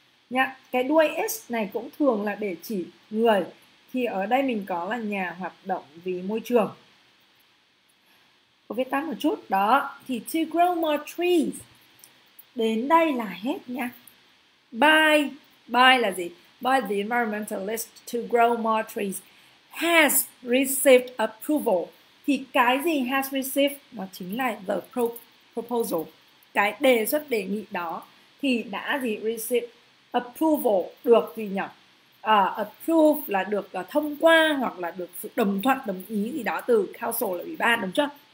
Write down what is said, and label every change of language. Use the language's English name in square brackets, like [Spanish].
[Vietnamese] Nhá, cái đuôi s này cũng thường là để chỉ người, thì ở đây mình có là nhà hoạt động vì môi trường. Có viết tắt một chút đó. Thì [English] to grow more trees, [Vietnamese] đến đây là hết nha. By, by là gì? [English] By the environmentalist to grow more trees has received approval. [Vietnamese] Thì cái gì [English] has received? [Vietnamese] Nó chính là [English] the proposal, [Vietnamese] cái đề xuất đề nghị đó. Thì đã gì? [English] Received approval, [Vietnamese] được gì nhỉ? Approve là được thông qua hoặc là được sự đồng thuận, đồng ý gì đó từ council là ủy ban, đúng chưa?